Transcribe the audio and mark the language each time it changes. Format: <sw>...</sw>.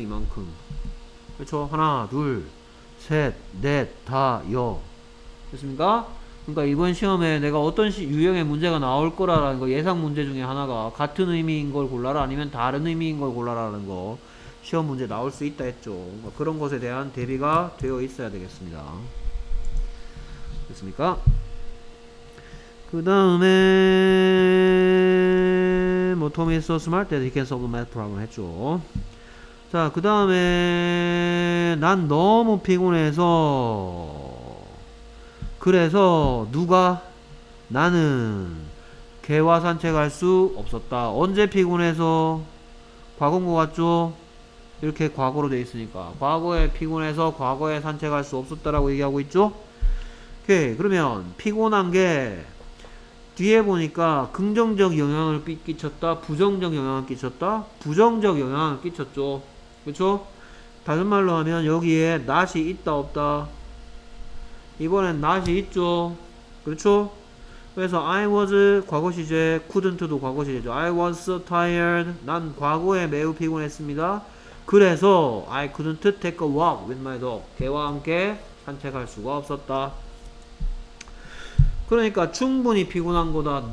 <ko>이만큼. 그렇죠? 하나, 둘, 셋, 넷, 다, 여. 됐습니까? 그러니까 이번 시험에 내가 어떤 유형의 문제가 나올 거라는 거 예상 문제 중에 하나가 같은 의미인 걸 골라라 아니면 다른 의미인 걸 골라라는 거 시험 문제 나올 수 있다 했죠. 그런 것에 대한 대비가 되어 있어야 되겠습니다. 됐습니까? 그 다음에 뭐</ko> <en>Tommy is so smart that he can solve the math problem</en> <ko>했죠. 자, 그 다음에 난 너무 피곤해서 그래서 누가? 나는 개와 산책할 수 없었다. 언제 피곤해서? 과거인 것 같죠? 이렇게 과거로 되어 있으니까 과거에 피곤해서 과거에 산책할 수 없었다라고 얘기하고 있죠? 오케이. 그러면 피곤한 게 뒤에 보니까 긍정적 영향을 끼쳤다? 부정적 영향을 끼쳤다? 부정적 영향을 끼쳤죠. 그렇죠? 다른 말로 하면 여기에 not이 있다 없다? 이번엔 not이 있죠. 그렇죠? 그래서 I was 과거 시제, couldn't도 과거 시제죠.</ko> <en>I was so tired.</en> <ko>난 과거에 매우 피곤했습니다. 그래서</ko> <en>I couldn't take a walk with my dog.</en> <ko>개와 함께 산책할 수가 없었다. 그러니까 충분히 피곤한 거다.</ko>